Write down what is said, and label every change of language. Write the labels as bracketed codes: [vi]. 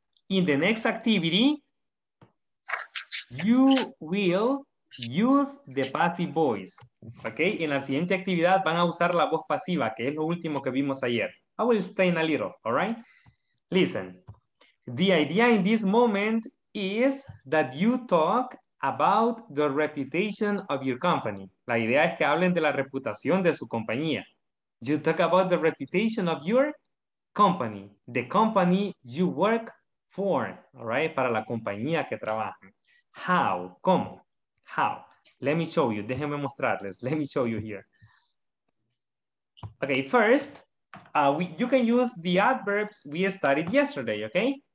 [en] In the next activity, you will use the passive voice. [es] Okay, en la siguiente actividad van a usar la voz pasiva, que es lo último que vimos ayer. [en] I will explain a little, all right? Listen. The idea in this moment is that you talk about the reputation of your company. [es] La idea es que hablen de la reputación de su compañía. [en] You talk about the reputation of your company, the company you work for, all right? [es] Para la compañía que trabajan. [en] How? [es] ¿Cómo? [en] How? Let me show you. [es] Déjenme mostrarles. [en] Let me show you here. Okay, first, you can use the adverbs we studied yesterday, okay?